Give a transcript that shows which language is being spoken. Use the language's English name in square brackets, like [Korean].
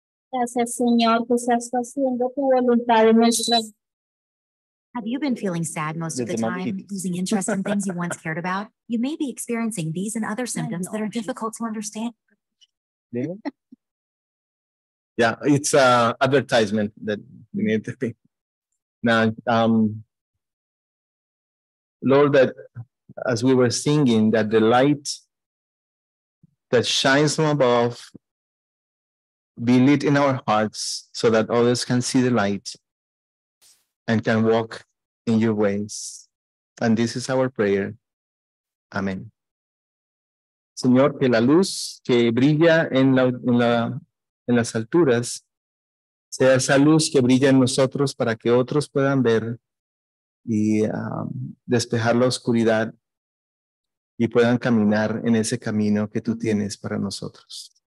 [Spanish] Gracias, Señor, que se está haciendo tu voluntad en nuestras. [English] Have you been feeling sad most of the time, losing interest in things you once cared about? You may be experiencing these and other symptoms that are difficult to understand. Yeah, it's an advertisement that we need to be. Now, Lord, that as we were singing, that the light that shines from above be lit in our hearts so that others can see the light and can walk in your ways. And this is our prayer. Amen. [Spanish] Señor, que la luz que brilla en las alturas sea esa luz que brilla en nosotros para que otros puedan ver y despejar la oscuridad y puedan caminar en ese camino que tú tienes para nosotros.